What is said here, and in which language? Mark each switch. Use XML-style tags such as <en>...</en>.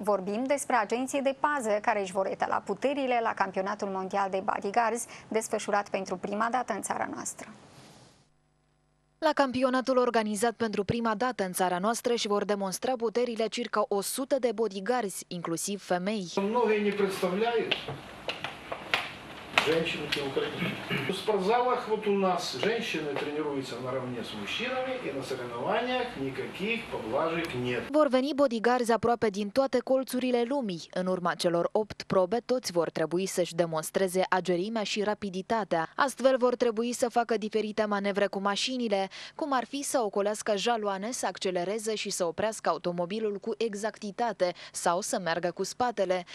<ro>Vorbim despre agenții de pază care își vor etala puterile la campionatul mondial de bodyguards, desfășurat pentru prima dată în țara noastră. La campionatul organizat pentru prima dată în țara noastră și vor demonstra puterile circa 100 de bodyguards, inclusiv femei. Mulți nu</ro> <ru>представляю. Женщины те украинские. В спортзалах вот у нас женщины тренируются наравне с мужчинами и на соревнованиях никаких поблажек нет.</ru> <ro>Vor veni bodyguards aproape din toate colțurile lumii. În urma celor 8 probe, toți vor trebui să-și demonstreze agerimea și rapiditatea. Astfel vor trebui să facă diferite manevre cu mașinile, cum ar fi să ocolească jaloane, să accelereze și să oprească automobilul cu exactitate sau să meargă cu spatele.</ro>